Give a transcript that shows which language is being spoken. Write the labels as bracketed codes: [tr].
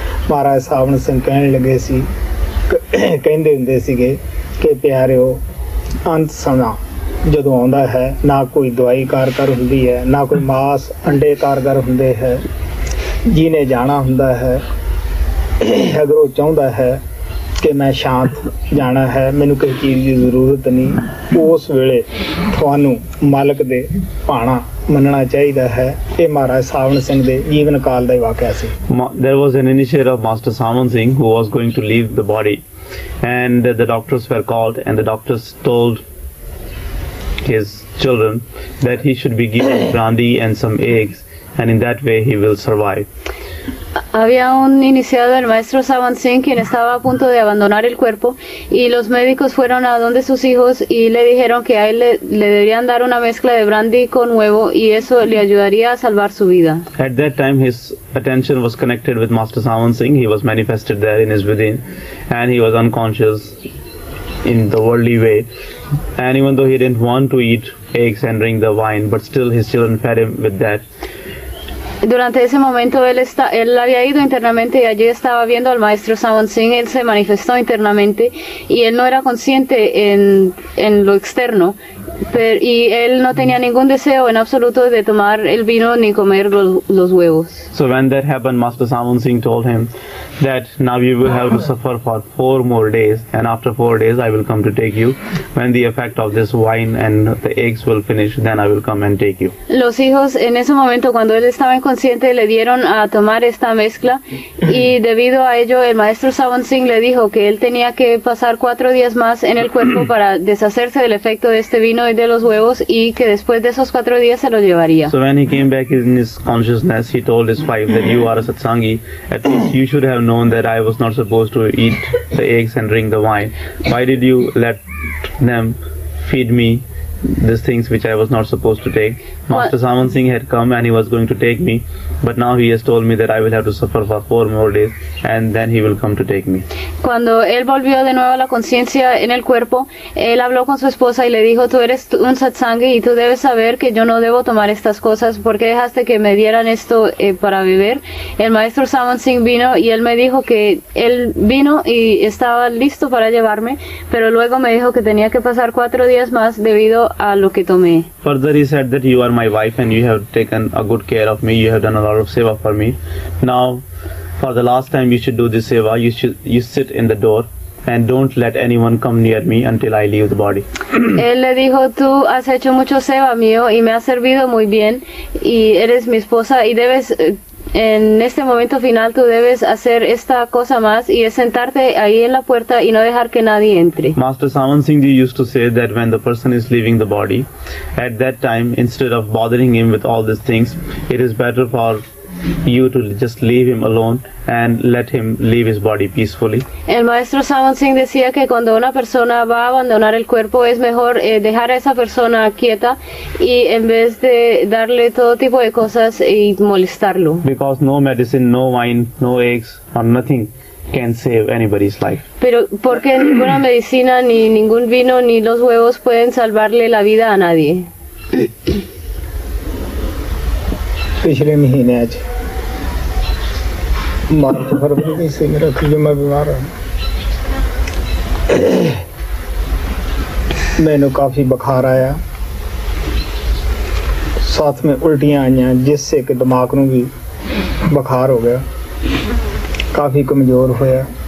[pa] ਮਹਾਰਾਜ ਸਾਵਣ ਸਿੰਘ ਕਹਿਣ ਲੱਗੇ ਸੀ, ਕਹਿੰਦੇ ਹੁੰਦੇ ਸੀਗੇ ਕਿ ਪਿਆਰਿਓ, ਅੰਤ ਸਮਾਂ ਜਦੋਂ ਆਉਂਦਾ ਹੈ, ਨਾ ਕੋਈ ਦਵਾਈ ਕਾਰਗਰ ਹੁੰਦੀ ਹੈ, ਨਾ ਕੋਈ ਮਾਸ ਅੰਡੇ ਕਾਰਗਰ ਹੁੰਦੇ ਹੈ, ਜਿਹਨੇ ਜਾਣਾ ਹੁੰਦਾ ਹੈ, ਅਗਰ ਉਹ ਚਾਹੁੰਦਾ ਹੈ ਕਿ ਮੈਂ ਸ਼ਾਂਤ ਜਾਣਾ ਹੈ, ਮੈਨੂੰ ਕਿਸੇ ਚੀਜ਼ ਦੀ ਜ਼ਰੂਰਤ ਨਹੀਂ, ਉਸ ਵੇਲੇ ਤੁਹਾਨੂੰ ਮਾਲਕ ਦੇ ਭਾਣਾ ਮੰਨਣਾ ਚਾਹੀਦਾ ਹੈ। ਇਹ ਮਹਾਰਾਜ ਸਾਵਣ ਸਿੰਘ ਦੇ ਜੀਵਨ ਕਾਲ ਦਾ ਵਾਕਿਆ ਸੀ। [en] There was an initiative of Master Savan Singh who was going to leave the body, and the doctors were called, and the doctors told his children that he should be given brandy and some eggs, and in that way he will survive. [es] Había un iniciado, el maestro Savan Singh, quien estaba a punto de abandonar el cuerpo, y los médicos fueron a donde sus hijos y le dijeron que a él le deberían dar una mezcla de brandy con huevo y eso le ayudaría a salvar su vida. [en] At that time his attention was connected with Master Savan Singh. He was manifested there in his within, and he was unconscious in the worldly way, and even though he didn't want to eat eggs and drink the wine, but still his children fed him with that. [es] Durante ese momento él había ido internamente y allí estaba viendo al maestro Savan Singh. Él se manifestó internamente y él no era consciente en lo externo, pero, y él no tenía ningún deseo en absoluto de tomar el vino ni comer los huevos. [en] So when that happened, Master Savan Singh told him that now you will have to suffer for 4 more days, and after 4 days I will come to take you. When the effect of this wine and the eggs will finish, then I will come and take you. [es] Los hijos en ese momento, cuando él estaba consciente, le dieron a tomar esta mezcla, y debido a ello el maestro Savan Singh le dijo que él tenía que pasar 4 días más en el cuerpo para deshacerse del efecto de este vino y de los huevos, y que después de esos 4 días se lo llevaría. [en] So when he came back in his consciousness, he told his wife that you are a satsangi, at least you should have known that I was not supposed to eat the eggs and drink the wine. Why did you let them feed me these things which I was not supposed to take? Master Savan Singh had come and he was going to take me, but now he has told me that I will have to suffer for 4 more days and then he will come to take me. [es] Cuando él volvió de nuevo a la conciencia en el cuerpo, él habló con su esposa y le dijo, tú eres un satsangi y tú debes saber que yo no debo tomar estas cosas, porque dejaste que me dieran esto para beber. El maestro Savan Singh vino y él me dijo que él vino y estaba listo para llevarme, pero luego me dijo que tenía que pasar 4 días más debido a lo que tomé. [en] Further he said that you are my wife and you have taken a good care of me, you have done a lot of seva for me. Now for the last time you should do this seva, you sit in the door and don't let anyone come near me until I leave the body. [es] Él le dijo, tú has hecho mucho seva mío y me has servido muy bien y eres mi esposa y debes en este momento final tú debes hacer esta cosa más y es sentarte ahí en la puerta y no dejar que nadie entre. [en] Master Savan Singh used to say that when the person is leaving the body, at that time instead of bothering him with all these things, it is better for you to just leave him alone and let him leave his body peacefully? [es] El maestro Samant Singh decía que cuando una persona va a abandonar el cuerpo es mejor dejar a esa persona quieta y en vez de darle todo tipo de cosas y molestarlo. [en] Because no medicine, no wine, no eggs or nothing can save anybody's life. [es] Pero porque ninguna medicina ni ningún vino ni los huevos pueden salvarle la vida a nadie. [hi] पिछले महीने आज मार्च फरवरी से मेरा फिर मैं बीमार हूँ मैंने काफी बुखार आया साथ में उल्टियां आई हैं जिससे कि दिमाग नु भी बुखार हो गया काफी कमजोर होया